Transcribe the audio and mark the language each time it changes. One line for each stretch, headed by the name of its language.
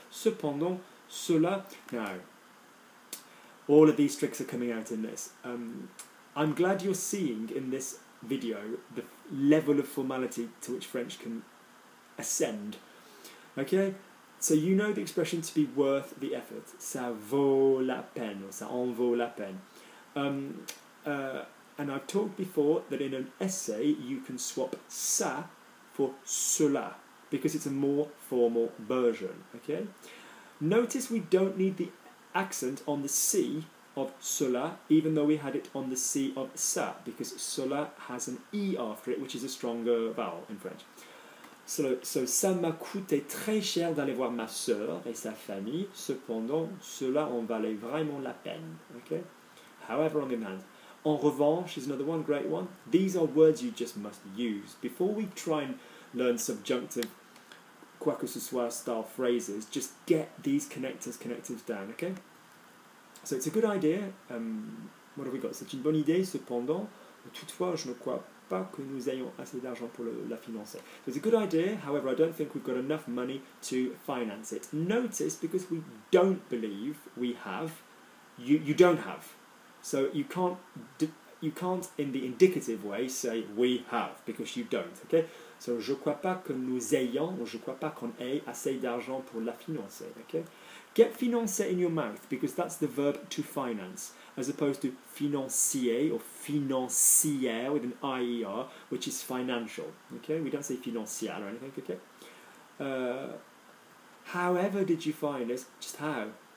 French: Cependant, cela...
English: Now, all of these tricks are coming out in this. I'm glad you're seeing in this video the level of formality to which French can ascend. Okay? So you know the expression to be worth the effort.
French: Ça vaut la peine, or ça en vaut la peine.
English: And I've talked before that in an essay, you can swap ça for cela, because it's a more formal version, okay? Notice we don't need the accent on the C of cela, even though we had it on the C of ça, because cela has an E after it, which is a stronger vowel in French.
French: So ça m'a coûté très cher d'aller voir ma sœur et sa famille, cependant, cela en valait vraiment la peine,
English: okay? However, on the other hand, en revanche is another one, great one. These are words you just must use. Before we try and learn subjunctive, quoi que ce soit style phrases, just get these connectives down, okay? So it's a good idea. What have we got?
French: C'est une bonne idée, cependant. Toutefois, je ne crois pas que nous ayons assez d'argent pour la financer.
English: So it's a good idea. However, I don't think we've got enough money to finance it. Notice, because we don't believe we have, you don't have. So you can't in the indicative way say we have, because you don't, okay?
French: So je crois pas que nous ayons, ou je crois pas qu'on ait assez d'argent pour la financer,
English: okay? Get financer in your mouth, because that's the verb to finance, as opposed to financier or financière with an IER, which is financial, okay? We don't say financial or anything, okay? However did you find us? Just how?